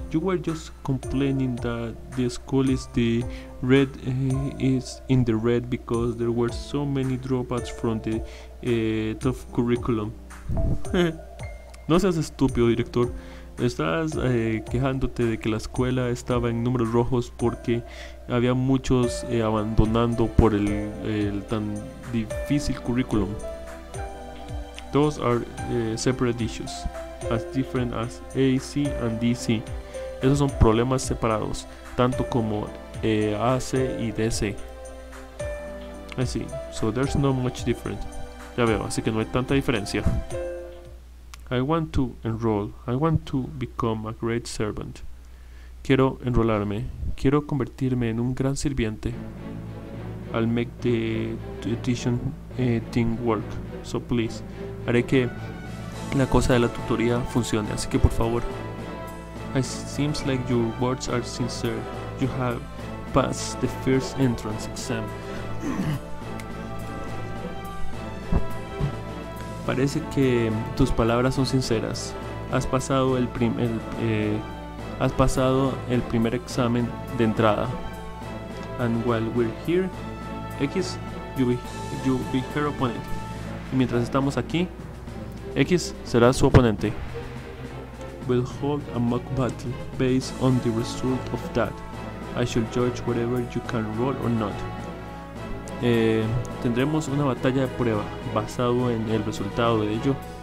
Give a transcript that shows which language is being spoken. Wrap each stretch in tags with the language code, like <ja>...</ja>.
<en>You were just complaining that the school is in the red because there were so many dropouts from the tough curriculum.</en> <es>No seas estúpido, director. Estás quejándote de que la escuela estaba en números rojos porque había muchos abandonando por el tan difícil curriculum.</es> <en>Those are separate issues, as different as AC and DC.</en> <es>Esos son problemas separados, tanto como AC y DC.</es> <en>I see, so there's not much difference.</en> <es>Ya veo, así que no hay tanta diferencia.</es> <en>I want to enroll. I want to become a great servant.</en> <es>Quiero enrolarme. Quiero convertirme en un gran sirviente.</es> <en>I'll make the tuition thing work. So please,</en> <es>haré que la cosa de la tutoría funcione. Así que por favor.</es> <en>It seems like your words are sincere. You have passed the first entrance exam.</en> <es>Parece que tus palabras son sinceras. Has pasado el primer examen de entrada.</es> <en>And while we're here, X, you be her opponent.</en> <es>y mientras estamos aquí, X será su oponente.</es> <en>We'll hold a mock battle based on the result of that. I shall judge whether you can roll or not.</en> <es>Tendremos una batalla de prueba basado en el resultado de ello.</es>